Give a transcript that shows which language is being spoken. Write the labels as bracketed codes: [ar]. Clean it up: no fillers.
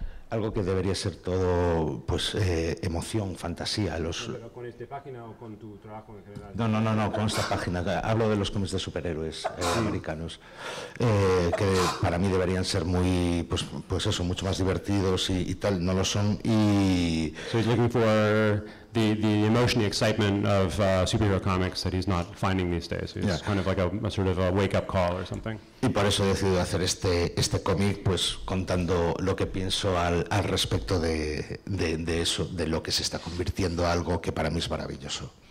[es] Algo que debería ser todo, pues, emoción, fantasía. ¿Pero con esta página o con tu trabajo en general? No, con esta página. Hablo de los cómics de superhéroes americanos, que para mí deberían ser muy, pues eso, mucho más divertidos y tal. No lo son, y... [en] So he's looking for the emotion, the excitement of superhero comics that he's not finding these days. It's kind of like a sort of a wake-up call or something. [es] Y por eso he decidido hacer este cómic, pues contando lo que pienso al respecto de eso, de lo que se está convirtiendo a algo que para mí es maravilloso.